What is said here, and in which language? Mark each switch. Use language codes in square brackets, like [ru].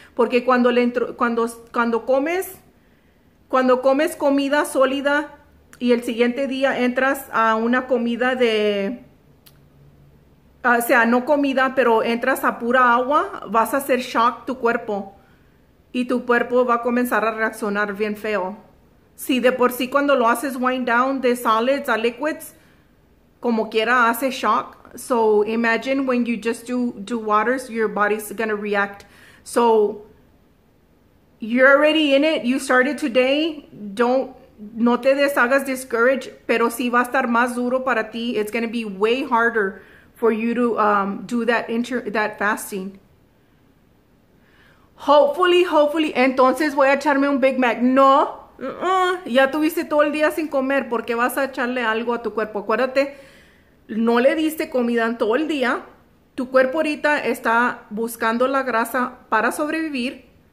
[es] Porque cuando comes comida sólida y el siguiente día entras a una comida o sea, no comida, pero entras a pura agua, vas a hacer shock tu cuerpo y tu cuerpo va a comenzar a reaccionar bien feo. Si de por sí cuando lo haces wind down de solids a liquids, como quiera hace shock. [en] So imagine when you just do waters, your body's gonna react. So you're already in it. You started today. [es] No te deshagas discouraged, pero sí va a estar más duro para ti. [en] It's going to be way harder for you to do that fasting. Hopefully. [es] Entonces voy a echarme un Big Mac. No. Ya tuviste todo el día sin comer. ¿Por qué vas a echarle algo a tu cuerpo? Acuérdate, no le diste comida en todo el día. Tu cuerpo ahorita está buscando la grasa para sobrevivir.